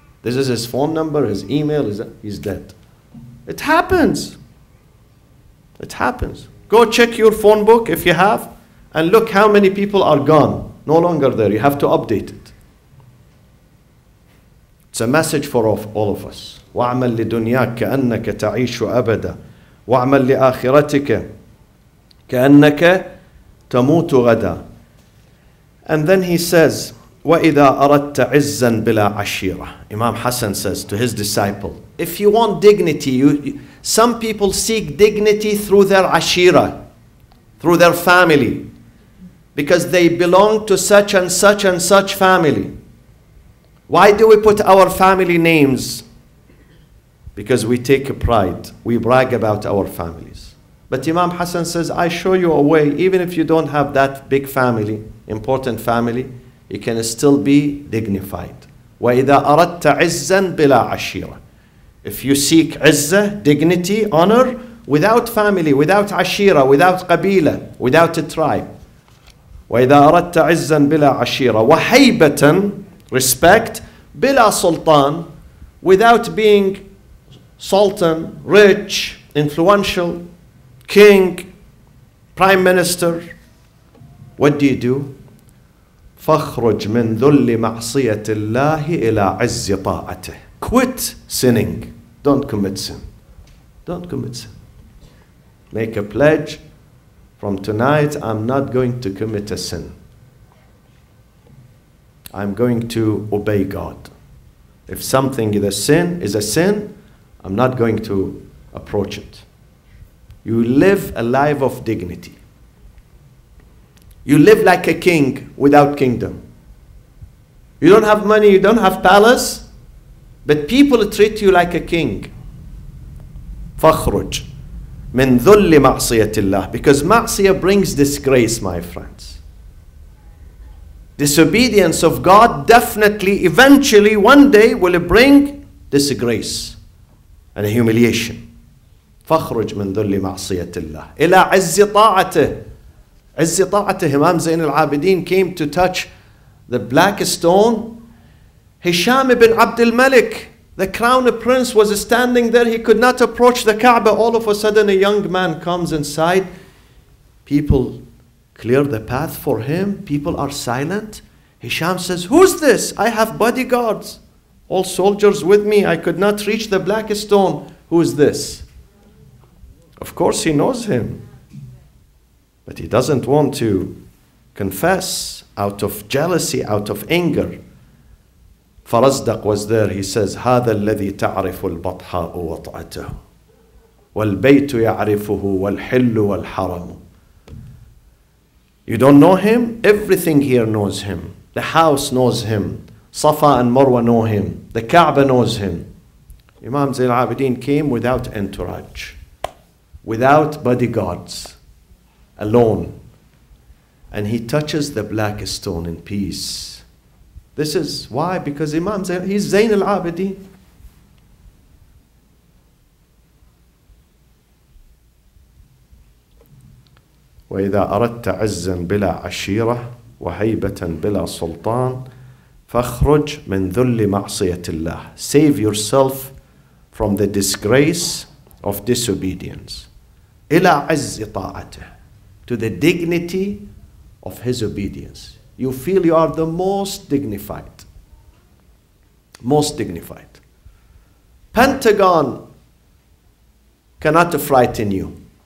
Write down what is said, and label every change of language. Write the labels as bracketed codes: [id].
[en] This is his phone number, his email, he's dead. It happens. It happens. Go check your phone book if you have, and look how many people are gone, no longer there. You have to update it. It's a message for all of us. [ar] وَعْمَلْ لِدُنْيَاكَ كَأَنَّكَ تَعِيشُ أَبَدًا وَعْمَلْ لِآخِرَتِكَ كَأَنَّكَ تَمُوتُ غَدًا. [en] And then he says, [ar] وَإِذَا أَرَدْتَ عِزًّا بِلَا عَشِيرَةٍ [en] Imam Hassan says to his disciple, if you want dignity, some people seek dignity through their ashira, through their family, because they belong to such and such and such family. Why do we put our family names? Because we take pride. We brag about our families. But Imam Hassan says, I show you a way, even if you don't have that big family, important family, you can still be dignified. [ar] وَإِذَا أَرَدْتَ عِزًّا بِلَا عَشِيرًا [en] If you seek izzah, dignity, honor, without family, without ashira, without qabila, without a tribe. [ar] وَإِذَا أَرَدْتَ عِزًّا بِلَا عَشِيرًا وَحَيْبَةً [en] Respect, [ar] bila sultan, [en] without being sultan, rich, influential, king, prime minister. What do you do? [ar] فَخْرُجْ مِنْ ذُلِّ مَعْصِيَةِ اللَّهِ إِلَىٰ عِزِّ طَاعَتِهِ [en] Quit sinning. Don't commit sin. Don't commit sin. Make a pledge. From tonight, I'm not going to commit a sin. I'm going to obey God. If something is a sin, I'm not going to approach it. You live a life of dignity. You live like a king without kingdom. You don't have money, you don't have palace, but people treat you like a king. [ar] فَخْرُجْ مِنْ ذُلِّ مَعْصِيَةِ اللَّهِ [en] Because ma'siyah brings disgrace, my friends. Disobedience of God definitely, eventually, one day will bring disgrace and humiliation. [ar] فَخْرُجْ مِنْ ذُلِّ مَعْصِيَةِ اللَّهِ إِلَىٰ عِزِّ طَاعَتِهِ [en] عِزِّ طَاعَتِهِ Imam Zain al-Abidin came to touch the black stone. Hisham ibn Abd al-Malik, the crown prince, was standing there. He could not approach the Kaaba. All of a sudden, a young man comes inside. People clear the path for him. People are silent. Hisham says, who's this? I have bodyguards, all soldiers with me. I could not reach the black stone. Who is this? Of course, he knows him. But he doesn't want to confess out of jealousy, out of anger. Farazdaq was there. He says, [ar] هذا الذي تعرف البطحاء وطعته والبيت يعرفه والحل والحرم [en] You don't know him? Everything here knows him. The house knows him. Safa and Marwa know him. The Kaaba knows him. Imam Zain al-Abidin came without entourage, without bodyguards, alone. And he touches the black stone in peace. This is why, because Imam Zain, he's Zain al-Abidin. [ar] وَإِذَا أَرَدْتَ عِزًّا بِلَا عَشِيرَةٍ وَهَيْبَةً بِلَا سُلْطَانٍ فَاخْرُجْ مِنْ ذُلِّ مَعْصِيَةِ اللَّهِ [en] Save yourself from the disgrace of disobedience. [ar] إِلَىٰ عِزِّ طَاعَتِهِ [en] To the dignity of his obedience. You feel you are the most dignified. Most dignified. Pentagon cannot frighten you.